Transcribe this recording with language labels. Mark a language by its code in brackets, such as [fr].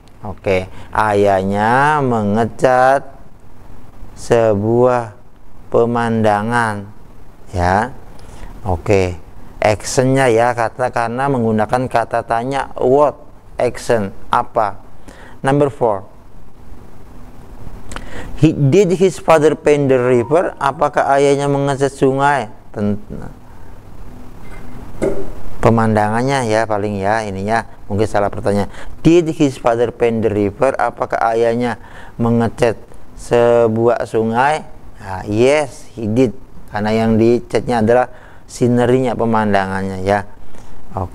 [id] Oke, ayahnya mengecat sebuah pemandangan, ya. Oke, actionnya ya, karena menggunakan kata tanya what, action apa. [en] Number four, did his father paint the river? [id] Apakah ayahnya mengecat sungai? Pemandangannya ya, paling ya ininya mungkin salah pertanyaan. [en] Did his father paint the river? [id] Apakah ayahnya mengecat sebuah sungai? Nah, [en] yes, he did. [id] Karena yang dicatnya adalah scenery-nya, pemandangannya ya. Oke.